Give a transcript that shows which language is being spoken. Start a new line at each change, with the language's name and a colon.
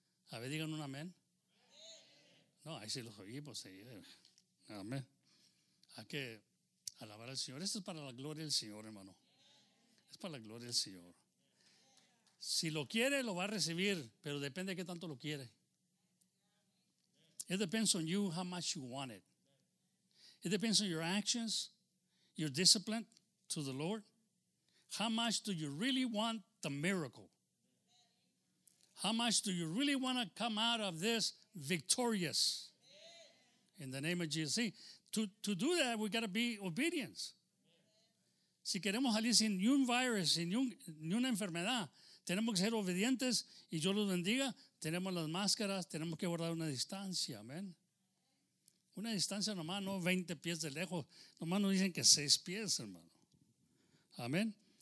Spanish: A ver, digan un amén. No, ahí sí los oí, pues sí. Amén. Hay que alabar al Señor. Esto es para la gloria del Señor, hermano. Es para la gloria del Señor. Si lo quiere, lo va a recibir, pero depende de qué tanto lo quiere.
English: It depends on you, how much you want it. It depends on your actions, your discipline to the Lord. How much do you really want the miracle? How much do you really want to come out of this victorious? In the name of Jesus. See, to do that, we got to be obedient.
Spanish: Si queremos salir sin ni un virus, sin ni una enfermedad, tenemos que ser obedientes, y yo los bendiga. Tenemos las máscaras, tenemos que guardar una distancia. Amén. Una distancia nomás, no 20 pies de lejos. Nomás nos dicen que 6 pies, hermano. Amén.